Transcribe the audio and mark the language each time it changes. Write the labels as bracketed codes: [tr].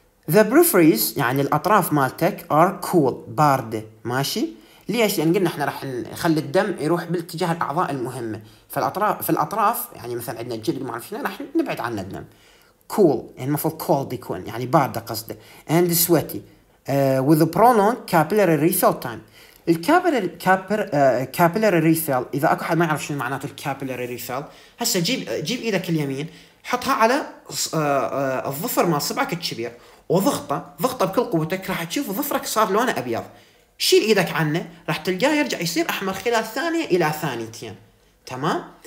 [en] The peripheries [ar] يعني الأطراف مالتك [en] are cool، [ar] باردة ماشي. ليش؟ لأن قلنا إحنا راح نخلي الدم يروح بالاتجاه الأعضاء المهمة، فالأطراف يعني مثلا عندنا الجلد ما أعرف شنو راح نبعد عن الدم. Cool يعني المفروض cold يكون يعني باردة قصده. [en] And sweaty with a prolonged capillary refill time. [ar] الكابيلاري ريفيل، اذا اكو حد ما يعرف شنو معناته الكابيلاري ريفيل، هسه جيب ايدك اليمين حطها على الظفر مال صبعك الكبير وضغطه، ضغطه بكل قوتك راح تشوف ظفرك صار لونه ابيض، شيل ايدك عنه راح تلقاه يرجع يصير احمر خلال ثانيه الى ثانيتين. تمام.